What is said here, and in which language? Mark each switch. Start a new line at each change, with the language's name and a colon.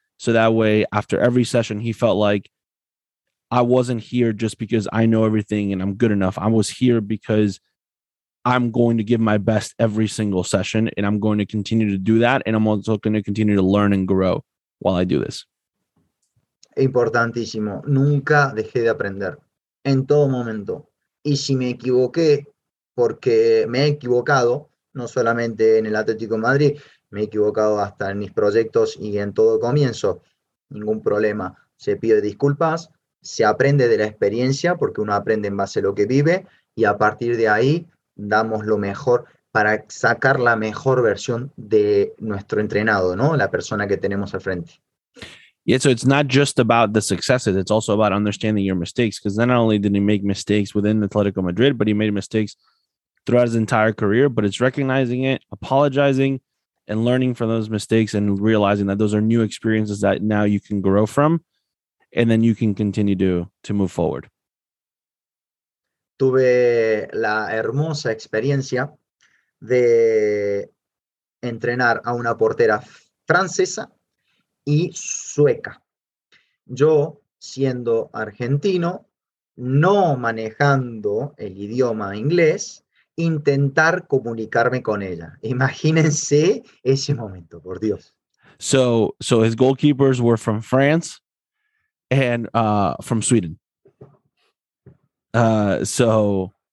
English: So that way, after every session, he felt like, I wasn't here just because I know everything and I'm good enough. I was here because I'm going to give my best every single session and I'm going to continue to do that. And I'm also going to continue to learn and grow while I do this.
Spanish: Importantísimo. Nunca dejé de aprender en todo momento. Y si me equivoqué, porque me he equivocado, no solamente en el Atlético de Madrid, me he equivocado hasta en mis proyectos y en todo comienzo. Ningún problema. Se pide disculpas. Se aprende de la experiencia porque uno aprende en base a lo que vive y a partir de ahí damos lo mejor para sacar la mejor versión de nuestro entrenado, ¿no? La persona que tenemos al frente.
English: Yeah, so it's not just about the successes, it's also about understanding your mistakes, because not only did he make mistakes within Atletico Madrid, but he made mistakes throughout his entire career, but it's recognizing it, apologizing and learning from those mistakes and realizing that those are new experiences that now you can grow from. And then you can continue to move forward.
Spanish: Tuve la hermosa experiencia de entrenar a una portera francesa y sueca. Yo, siendo argentino, no manejando el idioma inglés, intentar comunicarme con ella. Imagínense ese momento, por Dios.
English: So his goalkeepers were from France. And from Sweden. Switzerland.